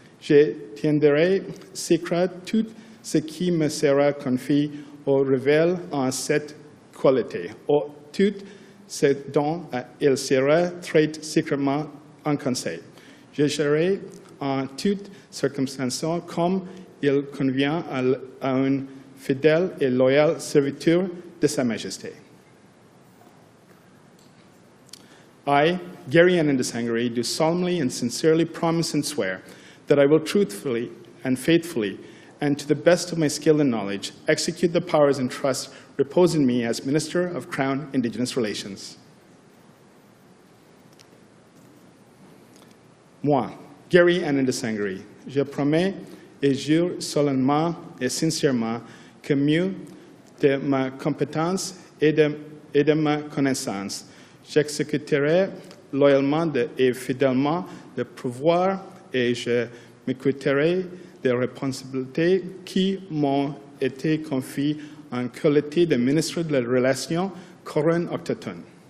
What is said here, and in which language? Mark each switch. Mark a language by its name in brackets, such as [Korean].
[French] Je tiendrai secret tout ce qui me sera confié ou révèle en cette qualité, ou tout ce dont il sera traité secrètement en Conseil. Je gérerai en toutes circonstances comme il convient à un fidèle et loyal serviteur de Sa Majesté. [English] I, Gary Anandasangaree, do solemnly and sincerely promise and swear that I will truthfully and faithfully and to the best of my skill and knowledge execute the powers and trust reposed in me as Minister of Crown Indigenous Relations. [French] Moi, Gary Anandasangaree, je promets et jure solennellement et sincèrement que mieux de ma compétence et de ma connaissance, j'exécuterai loyalement et fidèlement le pouvoir et je m'écouterai des responsabilités qui m'ont été confiées en qualité de ministre de la Relation Couronne Autochtone.